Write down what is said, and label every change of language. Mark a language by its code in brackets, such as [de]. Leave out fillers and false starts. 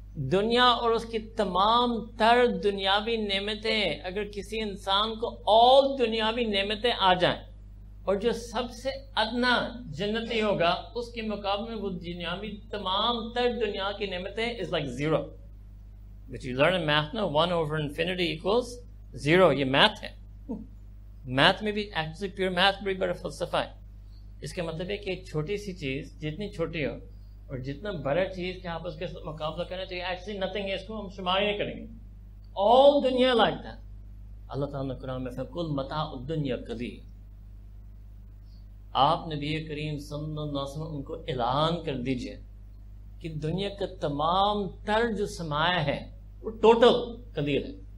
[ur] دنیا اور اس کی تمام تر دنیاوی نعمتیں, اگر کسی انسان کو اور دنیاوی نعمتیں آ جائیں اور جو سب سے ادنا جنتی ہوگا اس کے مقابلے میں وہ دنیاوی تمام تر دنیا کی نعمتیں [en] Is like zero. But you learn in math, no, 1 over infinity equals 0. [ur] یہ math ہے. Math میں بھی, [en] actually pure math [ur] بھی بڑا فلسفہ ہے. اس کا مطلب ہے کہ چھوٹی سی چیز جتنی چھوٹی ہو اور جتنا بڑا چیز کہ آپ اس کے مقابلہ کریں تو یہ ایکچولی نتنگ ہے, اس کو ہم شمار ہی نہیں کریں گے. All دنیا [en] Like that. [ur] اللہ تعالیٰ نے قرآن میں [ar] فَكُلْ مَتَعُ الدُّنْيَا قَلِيلٌ, [ur] آپ نبی کریم صلی اللہ علیہ وسلم ان کو اعلان کر دیجئے کہ دنیا کا تمام تر جو سرمایہ ہے وہ ٹوٹل قلیل ہے.